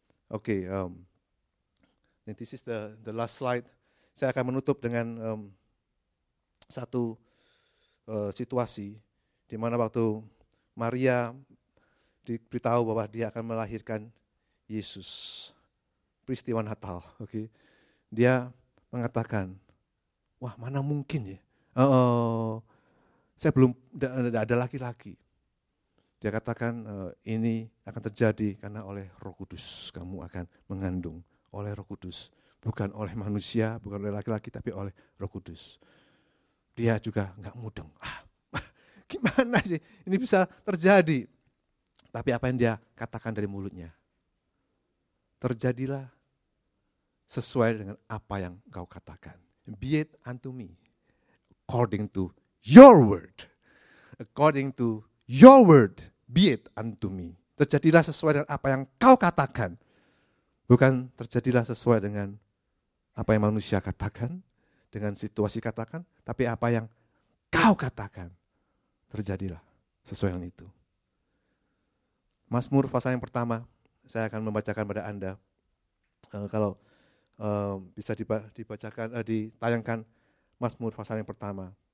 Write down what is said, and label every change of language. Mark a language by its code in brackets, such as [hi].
[en] Oke, okay, this is the last slide. [id] Saya akan menutup dengan satu situasi di mana waktu Maria diberitahu bahwa dia akan melahirkan Yesus, peristiwa Natal. Oke, okay. Dia mengatakan, wah mana mungkin ya, Saya belum, tidak ada laki-laki. Dia katakan, ini akan terjadi karena oleh Roh Kudus kamu akan mengandung, oleh Roh Kudus, bukan oleh manusia, bukan oleh laki-laki, tapi oleh Roh Kudus. Dia juga enggak mudeng. Ah, gimana sih ini bisa terjadi? Tapi apa yang dia katakan dari mulutnya? Terjadilah sesuai dengan apa yang kau katakan. [en] Be it unto me according to your word. According to your word, be it unto me. [id] Terjadilah sesuai dengan apa yang kau katakan. Bukan terjadilah sesuai dengan apa yang manusia katakan, dengan situasi katakan, tapi apa yang kau katakan, terjadilah sesuai dengan itu. Mazmur pasal yang pertama, saya akan membacakan pada Anda. Kalau bisa dibacakan, ditayangkan Mazmur pasal yang pertama.